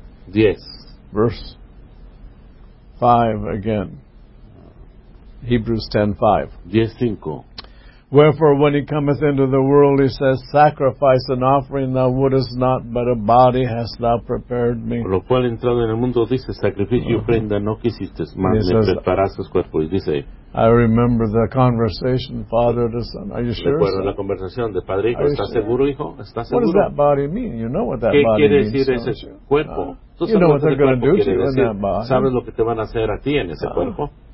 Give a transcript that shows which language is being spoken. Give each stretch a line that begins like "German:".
English: 10. Verse 5 again. Hebrews 10:5. 10:5. Wherefore, when he cometh into the world, he says, sacrifice and offering thou wouldest not, but a body hast thou prepared me.
Spanish: Lo cual entrando en el mundo dice, sacrificio y ofrenda no quisiste, mas le preparaste cuerpo. Y dice,
English: I remember the conversation, father to son. Are you sure?
Spanish: Recuerdo la conversación de padre hijo. ¿Estás seguro, hijo? ¿Estás seguro?
English: What does that body mean? You know what that body means.
Spanish: ¿Qué quiere decir ese cuerpo?
English: You know what they're going to do to you in that body.
Spanish: ¿Sabes lo que te van a hacer a ti en ese cuerpo?